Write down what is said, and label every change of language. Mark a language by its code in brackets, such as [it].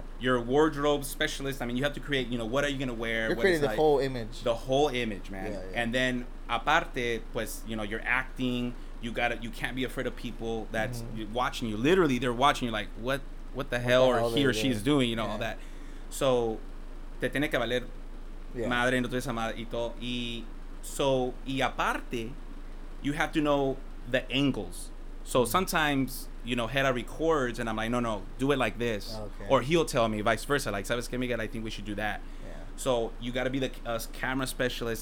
[en] You're a wardrobe specialist. I mean, you have to create, you know, what are you going to wear? You're creating the whole image. The whole image, man. Yeah. And then... [es] Aparte, pues, [en] you know, you're acting. You can't be afraid of people that's watching you. Literally, they're watching you. Like, what the hell are he or she is doing? You know, all that. [es] So, te tiene que valer madre, no te desamada y todo. Y aparte, [en] you have to know the angles. So sometimes, you know, Hera records, and I'm like, no, do it like this. Okay. Or he'll tell me, vice versa. Like, [es] sabes que, [en] Miguel, I think we should do that. So you got to be the camera specialist.